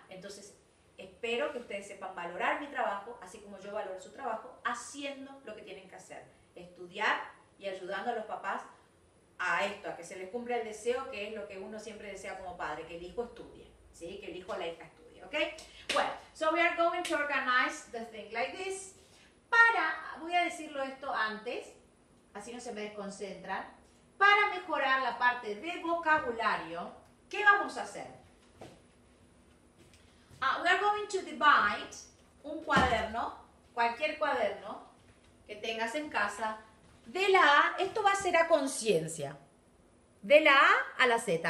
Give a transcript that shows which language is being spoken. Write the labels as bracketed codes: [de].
[es] Entonces, espero que ustedes sepan valorar mi trabajo, así como yo valoro su trabajo, haciendo lo que tienen que hacer. Estudiar y ayudando a los papás a esto, a que se les cumpla el deseo, que es lo que uno siempre desea como padre, que el hijo estudie, ¿sí? Que el hijo o la hija estudie, ¿ok? Bueno, [en] so we are going to organize the thing like this. [es] Voy a decirlo esto antes, así no se me desconcentran. para mejorar la parte de vocabulario, ¿qué vamos a hacer? [en] We're going to divide [es] un cuaderno, cualquier cuaderno que tengas en casa, de la A, esto va a ser a conciencia, de la A a la Z.